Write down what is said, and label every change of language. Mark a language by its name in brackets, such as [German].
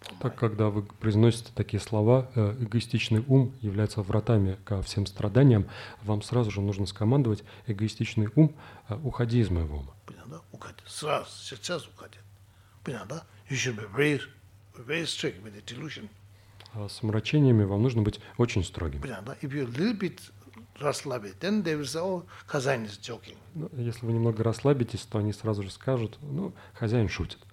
[Russian] Так, когда вы произносите такие слова, эгоистичный ум является вратами ко всем страданиям, вам сразу же нужно скомандовать, эгоистичный ум, уходи из моего ума. Понятно, да? Уходи. Сразу, сейчас уходи. Понятно, да? [English] You should be very, very strict with the delusion. [Russian] С мрачениями вам нужно быть очень строгим. Понятно, да? [English] If you a little bit расслабить, then they will say, oh, хозяин is joking. [Russian] Ну, если вы немного расслабитесь, то они сразу же скажут, ну, хозяин шутит.